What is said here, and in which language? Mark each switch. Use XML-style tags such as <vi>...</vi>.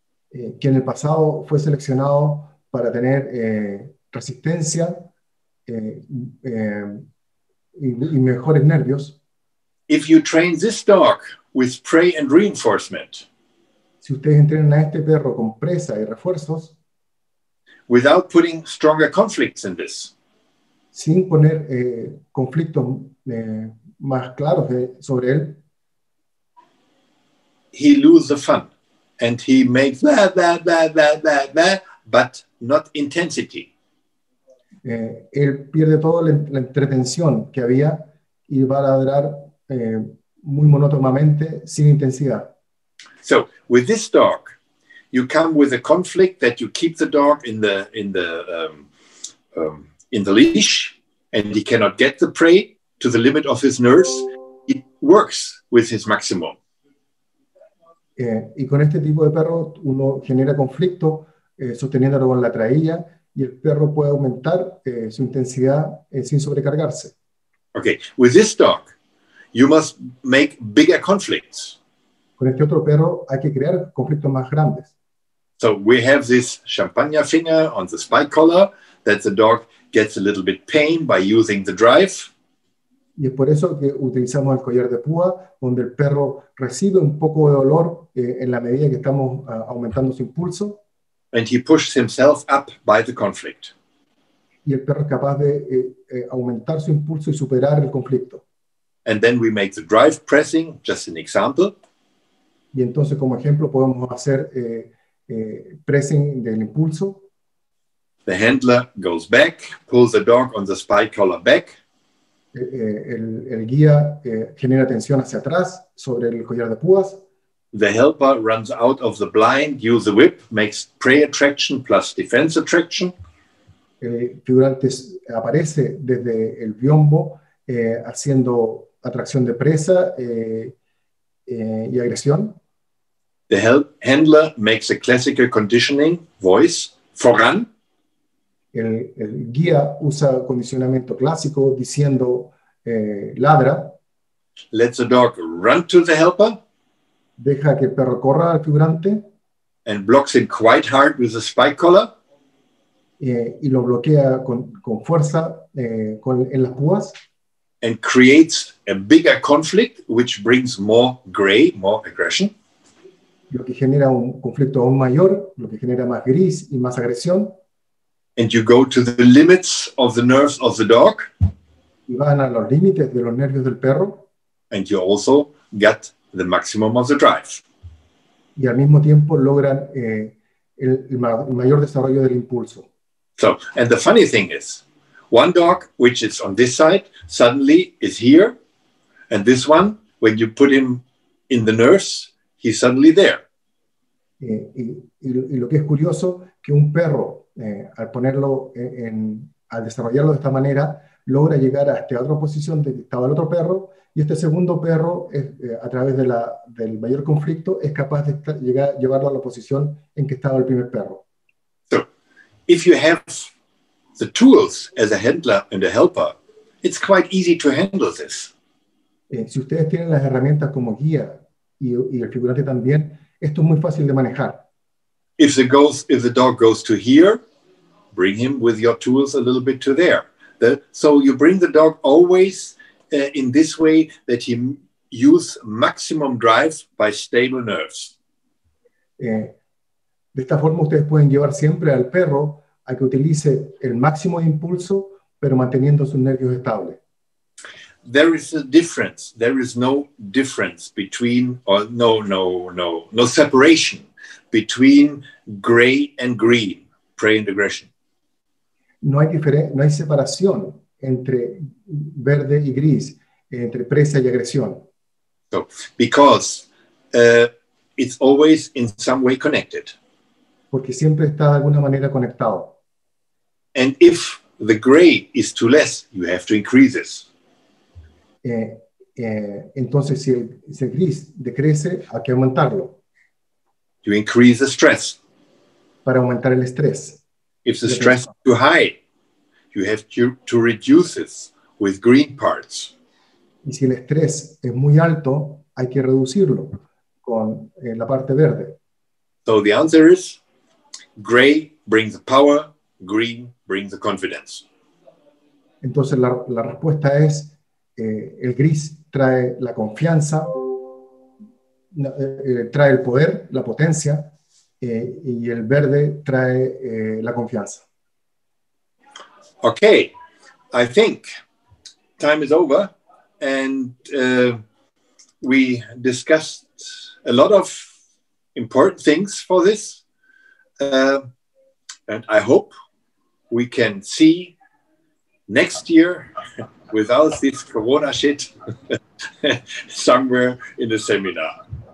<es>Que en el pasado fue seleccionado para tener resistencia y mejores nervios.</es> <en>If you train this dog with prey and reinforcement,</en> <es>si ustedes entrenan a este perro con presa y refuerzos,</es> <en>without putting stronger conflicts in this,</en> <es>sin poner conflictos más claros sobre él,</es> <en>he loses the fun and he makes blah, blah, blah, blah, blah, blah, but not intensity.</en> <es>Él pierde toda la entretención que había y va a ladrar muy monótonamente, sin intensidad.</es> <en>So, with this dog, you come with a conflict that you keep the dog in the leash and he cannot get the prey to the limit of his nerves. It works with his maximum.</en> <es>Y con este tipo de perro uno genera conflicto sosteniéndolo con la traílla y el perro puede aumentar su intensidad sin sobrecargarse.</es> <en>Okay, with this dog, you must make bigger conflicts.</en> <es>Con este otro perro hay que crear conflictos más grandes.</es> <en>So we have this champagne finger on the spike collar that the dog gets a little bit pain by using the drive.</en> <es>Y es por eso que utilizamos el collar de púa, donde el perro recibe un poco de dolor en la medida que estamos aumentando su impulso.</es> <en>And he pushes himself up by the conflict.</en> <es>Y el perro es capaz de aumentar su impulso y superar el conflicto.</es> <en>And then we make the drive pressing, just an example.</en> <es>Y entonces, como ejemplo, podemos hacer pressing del impulso.</es> <en>The handler goes back, pulls the dog on the spike collar back.</en> <es>El guía genera tensión hacia atrás sobre el collar de púas,</es> <en>The helper runs out of the blind, use the whip, makes prey attraction plus defense attraction.</en> <es>Figurante aparece desde el biombo haciendo atracción de presa y agresión.</es> <en>The handler makes a classical conditioning voice for run.</en> <es>El guía usa condicionamiento clásico diciendo ladra.</es> <en>Let the dog run to the helper.</en> <es>Deja que el perro corra al figurante.</es> <en>And blocks him quite hard with a spike collar.</en> <es>Y lo bloquea con fuerza en las púas.</es> <en>And creates a bigger conflict, which brings more gray, more aggression.</en> <es>Lo que genera un conflicto aún mayor, lo que genera más gris y más agresión.</es> <en>And you go to the limits of the nerves of the dog.</en> <es>Y van a los límites de los nervios del perro.</es> <en>And you also get the maximum of the drive.</en> <es>Y al mismo tiempo logran el mayor desarrollo del impulso.</es> <en>So, and the funny thing is, one dog, which is on this side, suddenly is here. And this one, when you put him in the nurse, he's suddenly there.</en> <es>Y lo que es curioso, que un perro, al ponerlo al desarrollarlo de esta manera, logra llegar a esta otra posición donde estaba el otro perro, y este segundo perro, a través de del mayor conflicto, es capaz de llevarlo a la posición en que estaba el primer perro.</es> <en>So, if you have the tools as a handler and a helper, it's quite easy to handle this.</en> <es>Si ustedes tienen las herramientas como guía y el figurante también, esto es muy fácil de manejar.</es> <en>If the dog goes to here, bring him with your tools a little bit to there. So you bring the dog always in this way that he use maximum drive by stable nerves.</en> <es>De esta forma ustedes pueden llevar siempre al perro a que utilice el máximo impulso, pero manteniendo sus nervios estables.</es> <en>There is a difference. There is no difference between, or no separation between gray and green, prey and aggression.</en> <es>No hay separación entre verde y gris, entre presa y agresión.</es> <en>So, because it's always in some way connected.</en> <es>Porque siempre está de alguna manera conectado.</es> <en>And if the gray is too less, you have to increase this.</en> <es>Entonces, si el gris decrece, hay que aumentarlo.</es> <en>You increase the stress.</en> <es>Para aumentar el estrés.</es> <en>If the stress is too high, you have to reduce this with green parts.</en> <es>Y si el estrés es muy alto, hay que reducirlo con la parte verde.</es> <en>So the answer is, gray brings the power, green brings the confidence.</en> <es>Entonces la respuesta es, el gris trae la confianza, trae el poder, la potencia, y el verde trae la confianza.</es> <en>Okay, I think time is over, and we discussed a lot of important things for this, and I hope we can see next year without this corona shit somewhere in the seminar.</en>